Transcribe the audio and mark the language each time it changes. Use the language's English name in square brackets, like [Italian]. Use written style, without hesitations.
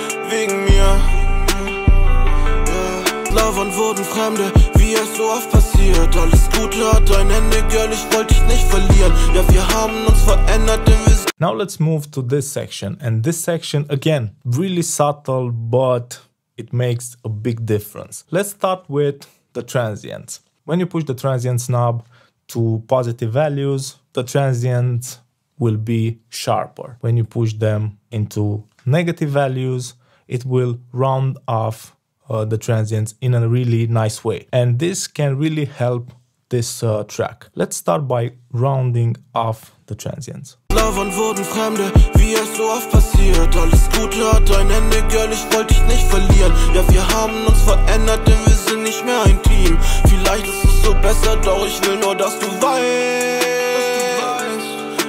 [German] Wegen mir. Lovern wurden Fremde, wie es so oft passiert. Alles Gute hat ein Ende, girl, ich wollte dich nicht verlieren. Ja, wir haben uns verändert, denn wir. [English] Now let's move to this section. And this section, again, really subtle, but it makes a big difference. Let's start with the transients. When you push the transients knob to positive values, the transients will be sharper. When you push them into negative values, it will round off the transients in a really nice way, and this can really help this track. Let's start by rounding off the transients. [German] Lovern wurden Fremde, wie es so oft passiert. Alles Gute hat ein Ende, girl, ich wollte dich nicht verlieren. Ja, wir haben uns verändert, denn wir sind nicht mehr ein Team. Vielleicht ist es so besser, doch ich will nur, dass du weißt.